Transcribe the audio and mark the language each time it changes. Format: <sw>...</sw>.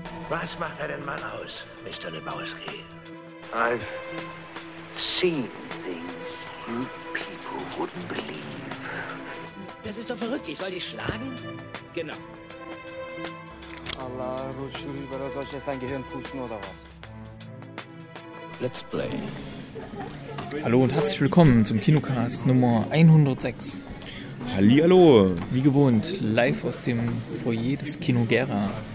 <de>Was macht einen Mann aus, Mr. Lebowski?</de> <en>I've seen things you people wouldn't believe.</en> <de>Das ist doch verrückt. Ich soll dich schlagen? Genau. Allah, rutsch rüber, oder soll ich jetzt dein Gehirn pusten, oder was?</de> <en>Let's play.</en> <de>Hallo und herzlich willkommen zum Kinocast Nummer 106. Hallihallo. Wie gewohnt, live aus dem Foyer des Kino Gera.</de>